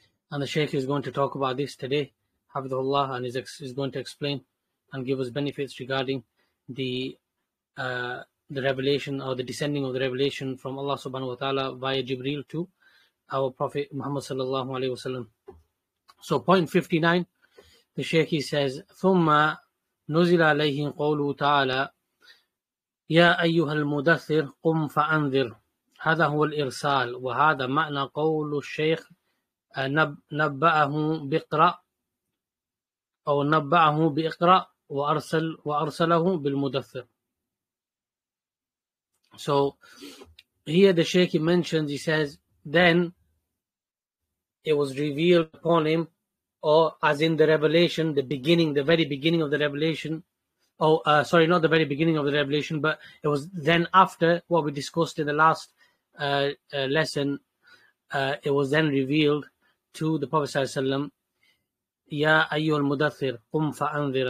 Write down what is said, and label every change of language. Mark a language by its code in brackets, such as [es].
[en] And the Shaykh is going to talk about this today, hafidhullah, and is going to explain and give us benefits regarding the revelation or the descending of the revelation from Allah subhanahu wa ta'ala via Jibreel to our Prophet Muhammad sallallahu alayhi wasallam. So point 59, the Shaykh, he says, [ar] ثُمَّ نُزِلَ عَلَيْهِ قَوْلُ تَعَالَى يَا أَيُّهَا الْمُدَثِّرْ قُمْ فَأَنذِرْ هذا هو الإرسال وهذا معنى قول الشيخ نبأه بقرأ أو نبأه بإقرأ وأرسله بالمدثر. [en] So here the Shaykh mentions, he says, then it was revealed upon him, or as in the revelation, the beginning, the very beginning of the revelation. Not the very beginning of the revelation, but it was then after what we discussed in the last lesson, it was then revealed to the Prophet ﷺ, Ya Ayyul Mudathir, Qum Fa'anvir.